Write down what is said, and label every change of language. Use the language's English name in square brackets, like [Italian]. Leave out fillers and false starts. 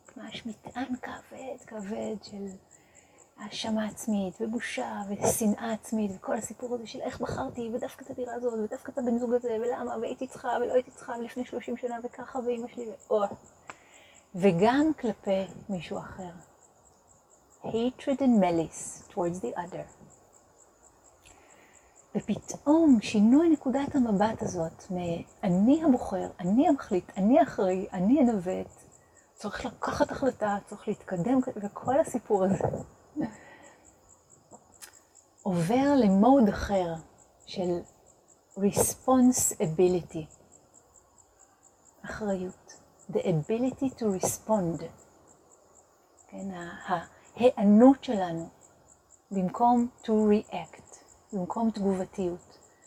[Hebrew] ממש מטען כבד, כבד של האשמה עצמית, ובושה, ושנאה עצמית, וכל הסיפור הזה של איך בחרתי, ודווקא את הדירה הזאת, ודווקא את הבן זוג הזה, ולמה, והייתי צריכה, ולא הייתי צריכה, ולפני 30 שנה, וככה, ואימא שלי, וגם כלפי מישהו אחר. [English] Hatred and malice towards the other. [Hebrew] ופתאום שינוי נקודת המבט הזאת, מאני הבוחר, אני המחליט, אני אחרי, אני אנווט, צריך לקחת החלטה, צריך להתקדם, וכל הסיפור הזה. עובר למוד אחר של responsibility, אחריות, [English] the ability to respond, [Hebrew] כן, ההיענות שלנו במקום [English] to react, [Hebrew] במקום תגובתיות.